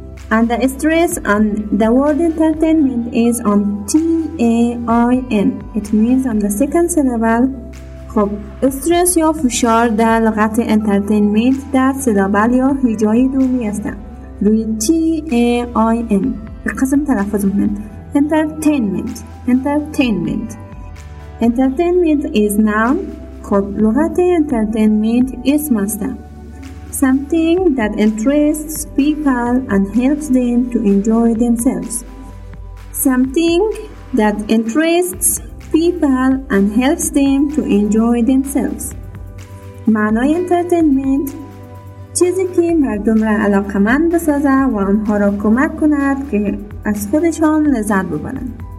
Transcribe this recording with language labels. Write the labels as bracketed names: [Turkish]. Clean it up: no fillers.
[English] And the stress on the word entertainment is on T-A-I-N. It means on the second syllable. [Persian] خب استرس یا فشار در لغت انترتینمنت در سلابل یا هجای دومی هستن روی T-A-I-N به قسم تلفظ مهم انترتینمنت انترتینمنت انترتینمنت [English] is noun. [Persian] خب لغت انترتینمنت اسم هستن [English] something that interests people and helps them to enjoy themselves something that interests people and helps them to enjoy themselves. [Persian] معنای entertainment چیزی که مردم را علاقمند بسازه و آنها را کمک کند که از خودشان لذت ببرند.